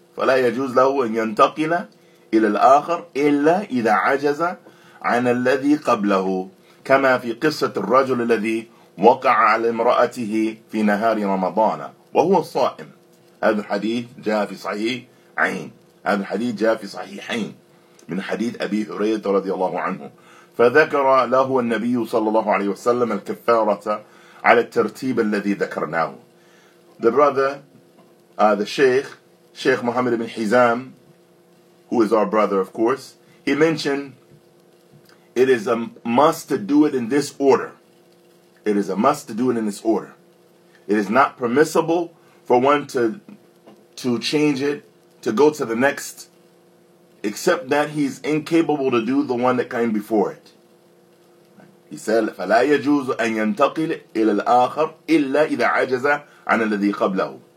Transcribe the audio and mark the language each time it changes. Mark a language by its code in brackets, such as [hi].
[ar] فلا يجوز له أن ينتقل إلى الآخر إلا إذا عجز عن الذي قبله كما في قصة الرجل الذي وقع على امرأته في نهار رمضان وهو صائم. هذا الحديث جاء في صحيحين. هذا الحديث جاء في صحيحين من حديث أبي هريرة رضي الله عنه. فذكر له النبي صلى الله عليه وسلم الكفارة على الترتيب الذي ذكرناه. [en] The brother, the sheikh, Sheikh Muhammad ibn Hizam, who is our brother, of course, he mentioned it is a must to do it in this order. It is a must to do it in this order. It is not permissible for one to change it, to go to the next, except that he's incapable to do the one that came before it. He said, [ar] فلا يجوز أن ينتقل إلى الآخر إلا إذا عجز عن الذي قبله.